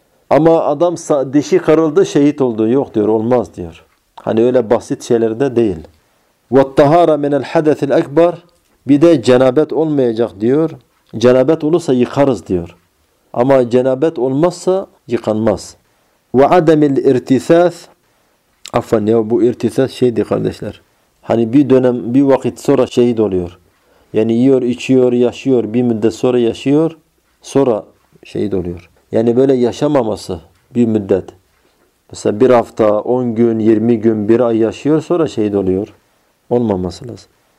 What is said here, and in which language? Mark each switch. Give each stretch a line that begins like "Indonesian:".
Turkish: Ama adam dişi kırıldı, şehit oldu. Yok diyor, olmaz diyor. Hani öyle basit şeylerde değil.
Arabic: وَالطَّهَارَ مِنَ الْحَدَثِ الْاَكْبَرِ
Turkish: bir de cenabet olmayacak diyor. Cenabet olursa yıkarız diyor. Ama cenabet olmazsa yıkanmaz.
Arabic: وعدم الارتثاث عفوا يا ابو ارتثاث
Turkish: şeydi kardeşler. Hani bir dönem bir vakit sonra şehit oluyor. Yani yiyor, içiyor, yaşıyor, bir müddet sonra yaşıyor, sonra şehit oluyor. Yani böyle yaşamaması, bir müddet. Mesela bir hafta, 10 gün, 20 gün, bir ay yaşıyor, sonra şehit oluyor. Olmaması lazım.